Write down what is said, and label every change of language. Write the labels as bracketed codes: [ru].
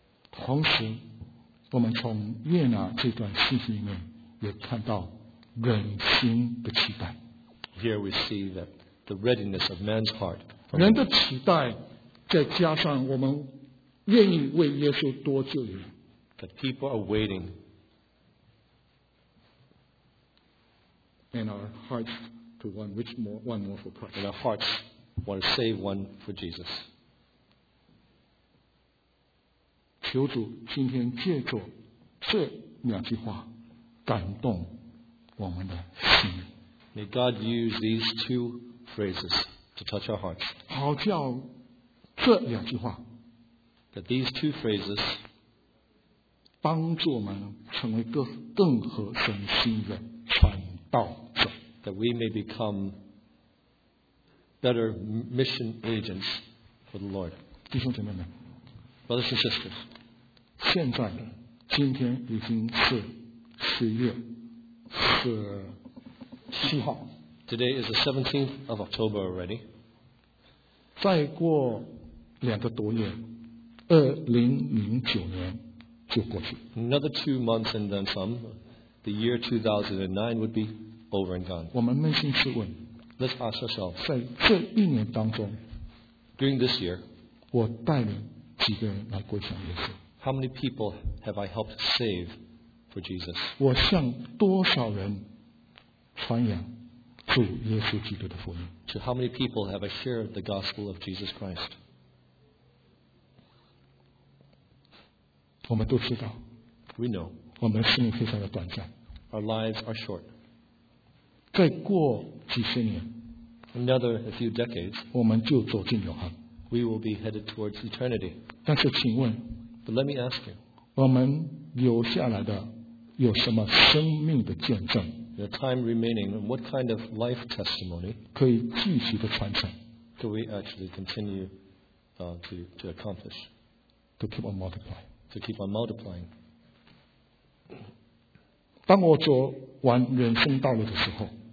[zh] 同时，我们从约拿这段信息里面也看到人心的期待。 [en] Here we see that the readiness of man's heart. [zh] 人的期待，再加上我们愿意为耶稣多救一人。 [en] That people are waiting. And our hearts. One more for Christ. And our hearts want to save one for Jesus. [zh] 求主今天借着这两句话感动我们的心。 [en] May God use these two phrases to touch our hearts. [zh] 好叫这两句话 [en] That these two phrases [zh] 帮助我们成为更合神心的传道。 [en] That we may become better mission agents for the Lord. [zh] 弟兄姐妹们 [en] Brothers and sisters, [zh] 现在的今天已经是十月十七号 [en] Today is the 17th of October already. [zh] 再过两个多月，2009年就过去 [en] Another 2 months and then some, the year 2009 would be. Over and gone. [zh] 我们扪心自问 [en] Let's ask ourselves, [zh] 在这一年当中 [en] During this year, [zh] 我带领几个人来归向耶稣 [en] How many people have I helped save for Jesus? [zh] 我向多少人传扬主耶稣基督的福音 [en] To how many people have I shared the gospel of Jesus Christ? [zh] 我们都知道 [en] We know. [zh] 我们生命非常的短暂 [en] Our lives are short. [zh] 再过几十年 [en] Another a few decades, [zh] 我们就走进永恒 [en] We will be headed towards eternity. [zh] 但是请问 [en] But let me ask you, [zh] 我们留下来的有什么生命的见证 [en] The time remaining, what kind of life testimony [zh] 可以继续的传承 [en] Do we actually continue, to accomplish? To keep on multiplying. To keep on multiplying. [zh] 当我走完人生道路的时候